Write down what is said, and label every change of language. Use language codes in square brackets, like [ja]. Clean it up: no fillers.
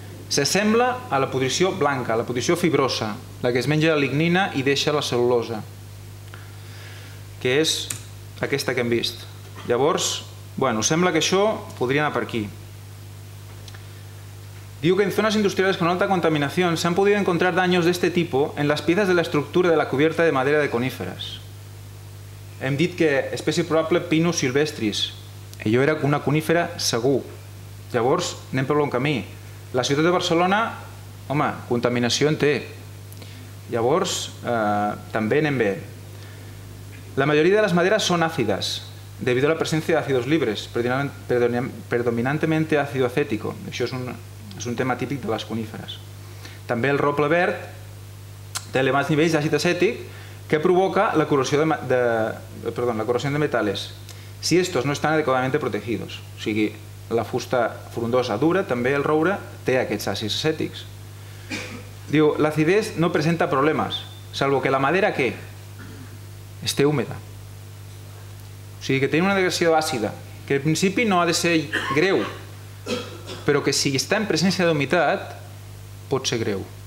[ca] S'assembla a la pudrició blanca, a la pudrició fibrosa, la que es menja la lignina i deixa la cel·lulosa, que és aquesta que hem vist. Llavors, bueno, sembla que això podria anar per aquí. Diu que [es] en zones industrials con alta contaminación se han podido encontrar daños de este tipo en las piezas de la estructura de la cubierta de madera de coníferas. [ca] Hem dit que espècie probable Pinus silvestris. Allò era una conífera segur. Llavors, anem per un camí. La ciutat de Barcelona, home, contaminació en té. Llavors, també anem bé. La majoria de les maderes són àcides, [es] debido a la presencia de ácidos libres, predominantemente ácido acético. [ca] Això és un tema típic de les coníferes. També el roble verd té elevats nivells d'àcid acètic que provoca la corrosió de metals si estos no estan adequadament protegidos. O sigui, la fusta frondosa dura, també el roure, té aquests àcids acètics. [es] Digo, la acidez no presenta problemas, salvo que la madera, ¿qué? Esté húmeda. [ca] O sigui, [es] que tiene una degradación ácida, que al principio no ha de ser greu, pero que si está en presencia de humedad, puede ser greu.